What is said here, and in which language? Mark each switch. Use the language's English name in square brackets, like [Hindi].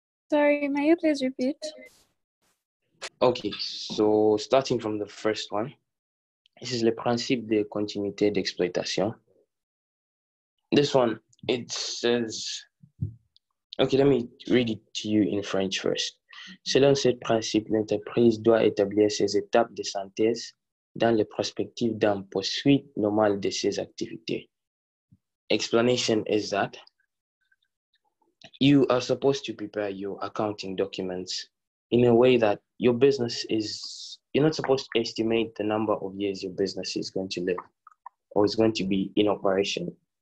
[English] Sorry, may you please repeat? Okay, so starting from the first one, this is le principe de continuité d'exploitation. This one, it says, okay, let me read it to you in French first. [French] Selon ce principe, l'entreprise doit établir ses étapes de synthèse dans les perspectives d'un poursuite normale de ses activités. [English] Explanation is that you are supposed to prepare your accounting documents in a way that your business is, you're not supposed to estimate the number of years your business is going to live or is going to be in operation.